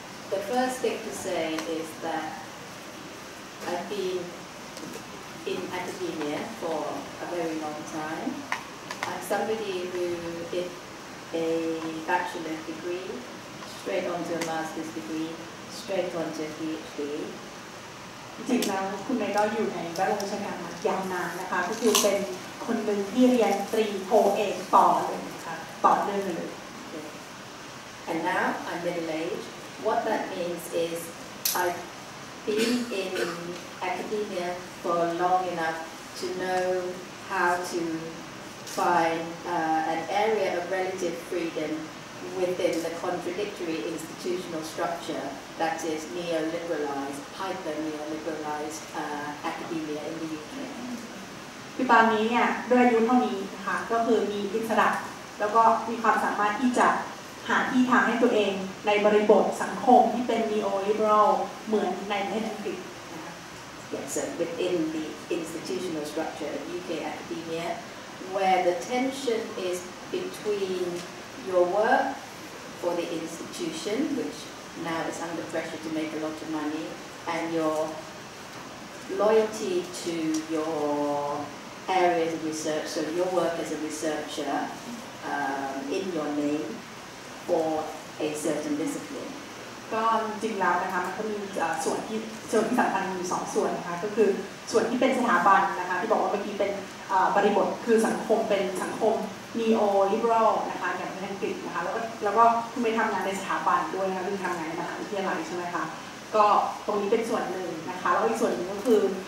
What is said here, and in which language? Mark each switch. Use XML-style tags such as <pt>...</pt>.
<en>The first thing to say is that I've been in academia for a very long time. I'm somebody who did a bachelor's degree, straight onto a master's degree, straight onto a PhD.</en> <th>จริงๆแล้วคุณแม่ก็อยู่ในแวดวงราชการมายาวนานนะคะก็คือเป็นคนหนึ่งที่เรียนตรีโทเอกต่อเลยนะคะต่อเนื่องเลย</th> <en>And now I'm middle-aged. What that means is I've been in academia for long enough to know how to find an area of relative freedom within the contradictory institutional structure that is neoliberalized, hyper-neoliberalized academia in the UK.</en> <th>คือตอนนี้เนี่ยด้วยอายุเท่านี้นะคะก็คือมีอิสระแล้วก็มีความสามารถที่จะหาที่ทางให้ตัวเองในบริบทสังคมที่เป็น neoliberal เหมือนในประเทศอังกฤษ</th> <en>Yes, so within the institutional structure of UK academia, where the tension is between your work for the institution, which now is under pressure to make a lot of money, and your loyalty to your areas of research, so your work as a researcher in your name,for a certain discipline.</en> <th>ก็จริงแล้วนะคะมันก็มีส่วนที่เชิงสัมพันธ์มี2ส่วนนะคะก็คือส่วนที่เป็นสถาบันนะคะที่บอกว่าเมื่อกี้เป็นบริบทคือสังคมเป็นสังคม neo liberal นะคะอย่างในอังกฤษนะคะแล้วก็คุณไม่ทำงานในสถาบันด้วยนะคะคุณทำงานในมหาวิทยาลัยใช่ไหมคะก็ตรงนี้เป็นส่วนหนึ่งนะคะแล้วอีกส่วนนึงก็คือ</th>